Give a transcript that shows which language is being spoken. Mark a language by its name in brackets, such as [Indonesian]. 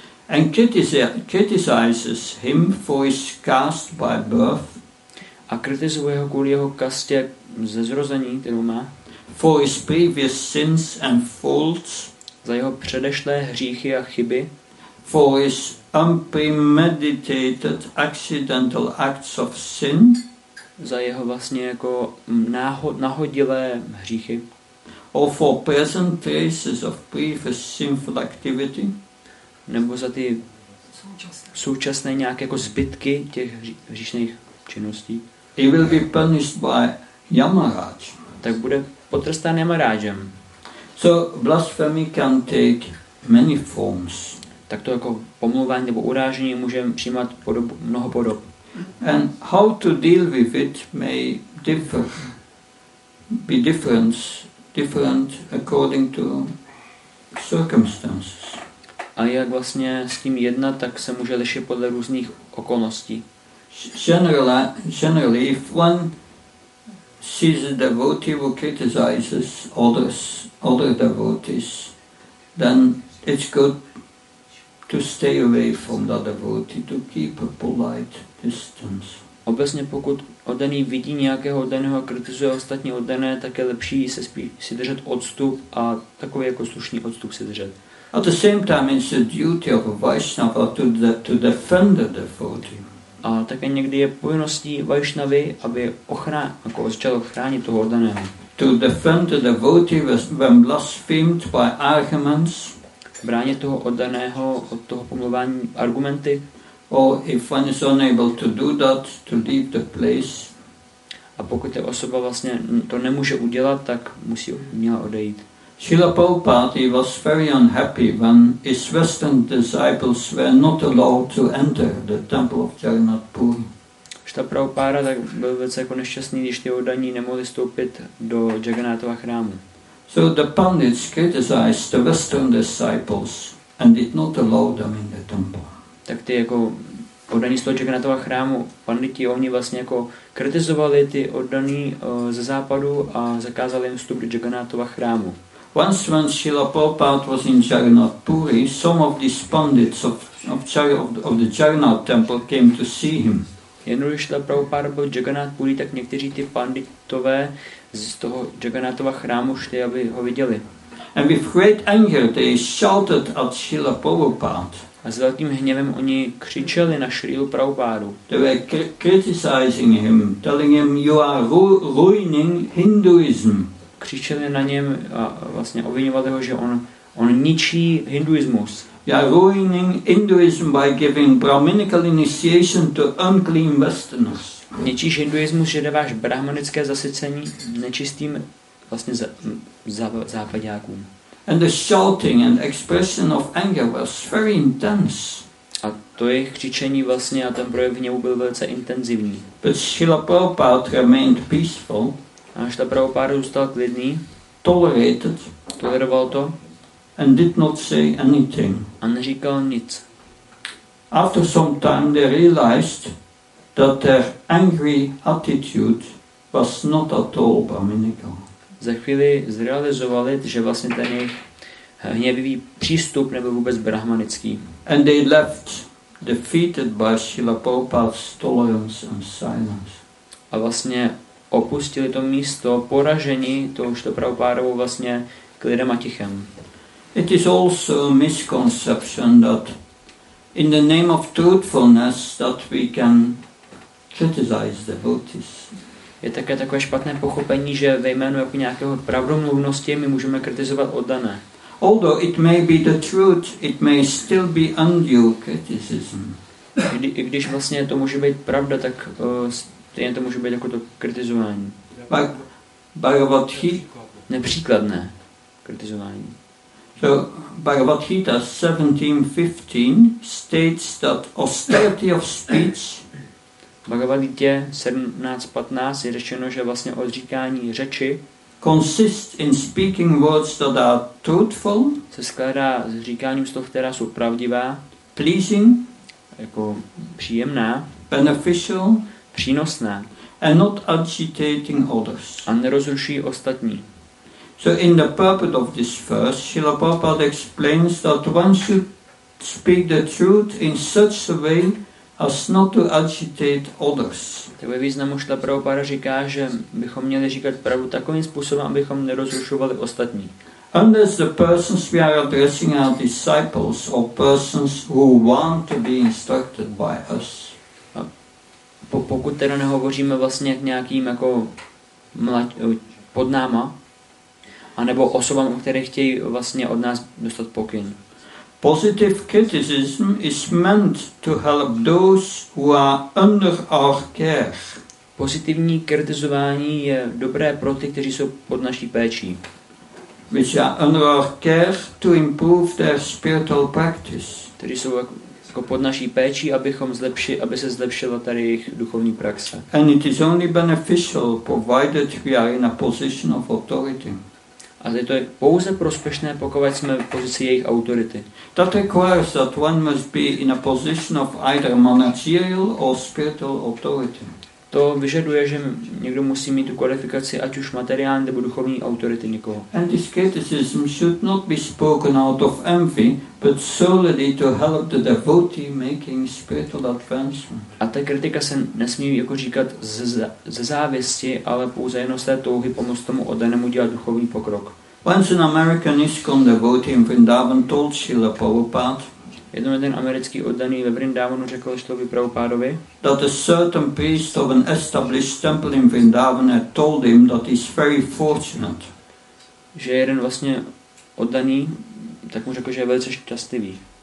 [English] and criticizes him for his caste by birth, [Czech] a kritizuje ho kvůli jeho kastě ze zrození, kterou má. [English] For his previous sins and faults. [Czech] Za jeho předešlé hříchy a chyby. [English] For his unpremeditated accidental acts of sin. [Czech] Za jeho vlastně jako nahodilé hříchy. [English] Or for present traces of previous sinful activity. [Czech] Nebo za ty současné nějaké jako zbytky těch hříšných činností. [English] He will be punished by Yamaraj. [Czech] Tak bude potrestán Yamarajem. [English] So blasphemy can take many forms. [Czech] Tak to jako pomluvání nebo urážení můžeme přijímat podobu, mnoho podob. [English] And how to deal with it may be different according to circumstances. [Czech] A jak vlastně s tím jednat, tak se může lišit podle různých okolností. [English] Generally, if one sees a devotee who criticizes other devotees, then it's good to stay away from that devotee, to keep a polite distance. [Czech] Obecně pokud oddaný vidí nějakého oddaného a kritizuje ostatní oddané, tak je lepší si držet odstup a takový jako slušný odstup si držet. [English] At the same time, it's the duty of a Vaishnava to defend the devotee. [Czech] A také někdy je povinností Vaishnavy, aby začal chránit toho oddaného. [English] To defend the devotee when blasphemed by arguments. [Czech] Bránit toho oddaného od toho pomluvání argumenty. [English] Or if one is unable to do that, to leave the place. [Czech] A pokud ta osoba vlastně to nemůže udělat, tak musí měla odejít. [English] Srila Prabhupada was very unhappy when his Western disciples were not allowed to enter the temple of Jagannath Puri. [Czech] Srila Prabhupada tak byl velice jako nešťastný, když ty oddaní nemohli vstoupit do Jagannathova chrámu. [English] So the pandits criticized the Western disciples and did not allow them in the temple. [Czech] Tak ty jako oddaní z toho Jagannathova chrámu, panditi, oni vlastně jako kritizovali ty oddaní ze západu a zakázali jim vstup do Jagannathova chrámu. [English] Once when Srila Prabhupada was in Jagannath Puri, some of these pandits of the Jagannath temple came to see him. [Czech] Jednou, když Srila Prabhupada byl Jagannath Puri, tak někteří ty panditové z toho Jagannathova chrámu šli, aby ho viděli. [English] And with great anger they shouted at Srila Prabhupada. [Czech] A s velkým hněvem oni křičeli na Srilu Prabhupádu. [English] They were criticizing him, telling him, "You are ruining Hinduism." [Czech] Křičeli na něm a vlastně obviňovali ho, že on ničí hinduismus. [English] You are ruining Hinduism by giving brahminical initiation to unclean westerners. [Czech] Ničíš hinduismus, že dáváš brahmanické zasycení nečistým vlastně západňákům. [English] And the shouting and expression of anger was very intense. [Czech] A to jejich křičení vlastně a ten projev hněvu byl velice intenzivní. [English] But Srila Prabhupada remained peaceful. [Czech] A Srila Prabhupada zůstal klidný. [English] Tolerated. [Czech] Toleroval to. [English] and did not say anything. [Czech] A neříkal nic. [English] After some time they realized that their angry attitude was not at all Brahminical. [Czech] Za chvíli zrealizovali, že vlastně ten jejich hněvivý přístup nebyl vůbec brahmanický. [English] And they left defeated by Srila Prabhupada's tolerance and silence. [Czech] A vlastně opustili to místo poražení touto Prabhupádovou vlastně klidem a tichem. [English] It is also a misconception that in the name of truthfulness that we can criticize devotees. [Czech] Je také takové špatné pochopení, že ve jménu jako nějakého pravdomluvnosti my můžeme kritizovat oddané. [English] Although it may be the truth, it may still be undue criticism. [Czech] I když vlastně to může být pravda, tak stejně to může být jako to kritizování. [English] Bhagavad-gita. [Czech] Nepříkladné kritizování. [English] So Bhagavad-gita 17:15 states that austerity of speech. [Czech] Bhagavad-gita 17:15 je řečeno, že vlastně odříkání řeči [English] consists in speaking words that are truthful, [Czech] se skládá z říkání slov, která jsou pravdivá, [English] pleasing, [Czech] jako příjemná, [English] beneficial, [Czech] přínosná, [English] and not agitating others, [Czech] a nerozruší ostatní. [English] So in the purport of this verse, Srila Prabhupada explains that one should speak the truth in such a way as not to agitate others. [Czech] Tak ve významu Šla Prabhupada říká, že bychom měli říkat pravdu takovým způsobem, abychom nerozrušovali ostatní. [English] Unless the persons we are addressing are disciples or persons who want to be instructed by us. [Czech] A pokud teda nehovoříme vlastně k nějakým jako pod náma, anebo osobám, které chtějí vlastně od nás dostat pokyn. [English] Positive criticism is meant to help those who are under our care. [Czech] Pozitivní kritizování je dobré pro ty, kteří jsou pod naší péčí. [English] Which are under our care to improve their spiritual practice. [Czech] Kteří jsou jako pod naší péčí, aby se zlepšila tady jejich duchovní praxe. [English] And it is only beneficial provided we are in a position of authority. [Czech] A to je pouze prospěšné, pokud jsme v pozici jejich autority. [English] That requires that one must be in a position of either managerial or spiritual authority. [Czech] To vyžaduje, že někdo musí mít tu kvalifikaci, ať už materiální nebo duchovní autority někoho. [English] And this criticism should not be spoken out of envy, but solely to help the devotee making spiritual advancement. [Czech] A ta kritika se nesmí jako říkat ze závisti, ale pouze jenom z té touhy pomoct tomu oddanému dělat duchovní pokrok. [English] Once an American ISKCON devotee in Vrindavan told Srila Prabhupada, [Czech] jednou jeden americký oddaný ve Vrindávanu řekl Šrilovi Prabhupádovi, [English] that a certain priest of an established temple in Vrindavan had told him that he's very fortunate. [Czech] Že jeden vlastně oddaný tak mu řekl, že je velice šťastlivý.